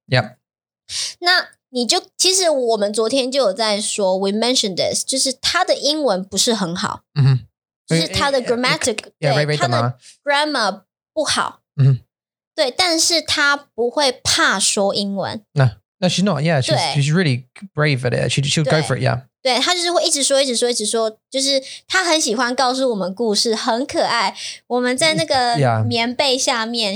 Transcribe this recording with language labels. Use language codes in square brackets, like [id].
[en] yeah. [zh] 那你就其实我们昨天就有在说 [en] we mentioned this， [zh] 就是他的英文不是很好、 mm-hmm. 就是他的 grammatic [en] yeah, [zh] 对 他的 grammar 不好、 [en] mm-hmm. [zh] 对，但是他不会怕说英文 [en] No she's not yeah she's really brave at it she'll go for it yeah [zh] 对，他就是会一直说一直说一直说，就是他很喜欢告诉我们故事，很可爱，我们在那个棉被下面、